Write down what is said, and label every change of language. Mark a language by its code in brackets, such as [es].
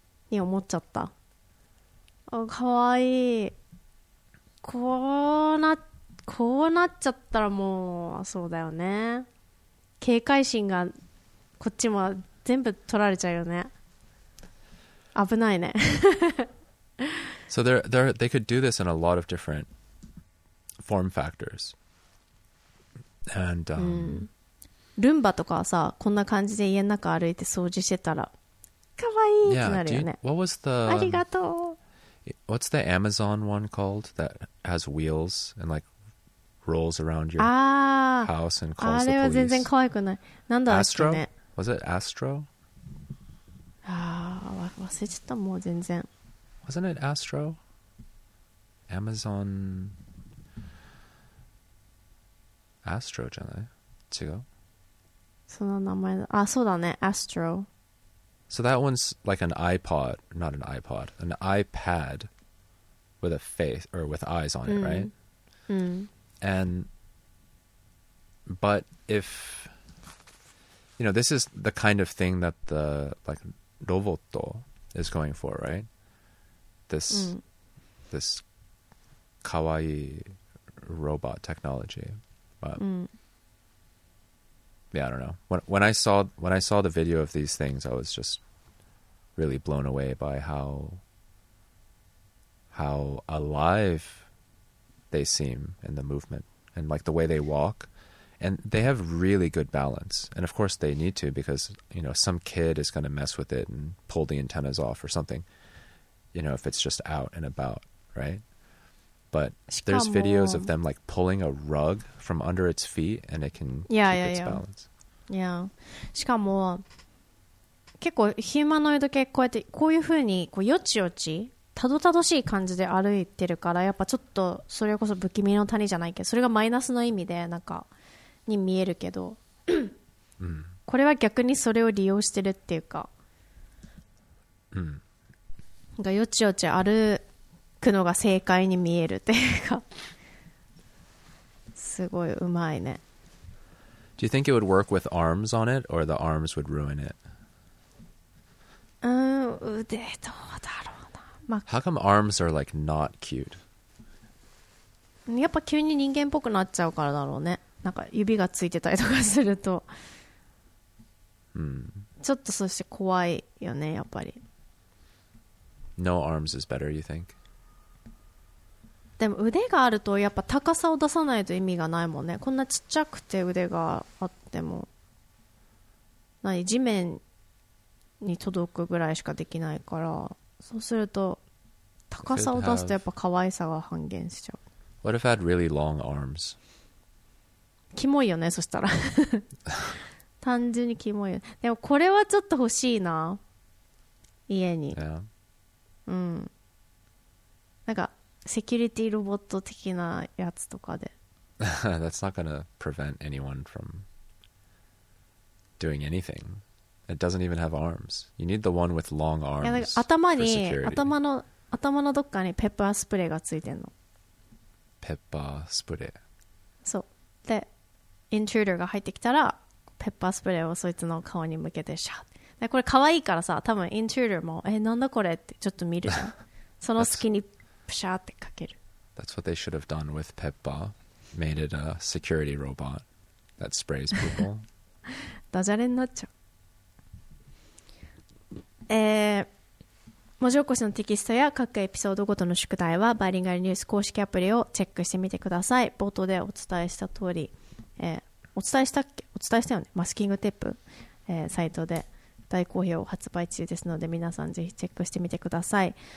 [ja] に思っちゃった。あ、かわいい。こうなっちゃったらもうそうだよね、警戒心がこっちも全部取られちゃうよね、危ないね。 [en] So they could do this in a lot of different form factors. And、 [ja] ルンバとかさ、こんな感じで家の中歩いて掃除してたらかわいいってなるよね。 [en] Yeah, what was the... [ja] ありがとう。 [en] What's the Amazon one called that has wheels and likerolls around your house and calls the police? [ja] あれは全然可愛くない。なんだっけね。 [en] Astro? Was it Astro? [ja] ああ、忘れちゃった。もう全然。 [en] Wasn't it Astro? Amazon... [ja] Astro じゃない?違う? その名前だ。あ、そうだね。 [en] Astro. So that one's like an iPod. Not an iPod. An iPad with a face or with eyes on it, right? [ja] うん。 [en] But if, you know, this is the kind of thing that the, like, Roboto is going for, right? This kawaii robot technology. But, yeah, I don't know. When I saw the video of these things, I was just really blown away by how alive they seem in the movement. And like the way they walk, and they have really good balance. And of course they need to, because, you know, some kid is going to mess with it and pull the antennas off or something, you know, if it's just out and about, right? But there's videos of them like pulling a rug from under its feet and it can keep its balance. Yeah. [ja] しかも、結構ヒューマノイド系こうやってこういう風にこうよちよちたどたどしい感じで歩いてるから、やっぱちょっとそれこそ不気味の谷じゃないけど、それがマイナスの意味でなんかに見えるけど、うん、これは逆にそれを利用してるっていうか、うん、なんかよちよち歩くのが正解に見えるっていうか、すごいうまいね。 [en] Do you think it would work with arms on it, or the arms would ruin it? [ja] 腕どうだろう。 [en] How come arms are like not cute? [ja] やっぱ急に人間っぽくなっちゃうからだろうね。なんか指がついてたりとかすると、ちょっとそして怖いよね、やっぱり。 [en] No arms is better, you think? [ja] でも腕があるとやっぱ高さを出さないと意味がないもんね。こんなちっちゃくて腕があっても、何、地面に届くぐらいしかできないから。そうすると高さを出すとやっぱ可愛さが半減しちゃう。 [en] What if I had really long arms? [ja] キモいよね、そしたら。単純にキモいよ。でもこれはちょっと欲しいな、家に。 [en] Yeah. [ja] うん、なんかセキュリティロボット的なやつとかで。 [en] That's not gonna prevent anyone from doing anythingIt doesn't even have arms. You need the one with long arms. Yeah, like, [ja] 頭のどっかにペッパースプレーがついてんの。ペッパースプレー。そう。で、インチューダーが入ってきたらペッパースプレーをそいつの顔に向けてシャッ。でこれ可愛いからさ、多分インチューダーもえなんだこれってちょっと見るじゃん。その隙にプシャーってかける。 [en] That's what they should have done with Peppa. Made it a security robot that sprays people. [ja] ダジャレになっちゃう。文字起こしのテキストや各エピソードごとの宿題はバイリンガルニュース公式アプリをチェックしてみてください。冒頭でお伝えした通り、お伝えしたっけ？お伝えしたよね。マスキングテープ、サイトで大好評発売中ですので、皆さんぜひチェックしてみてください。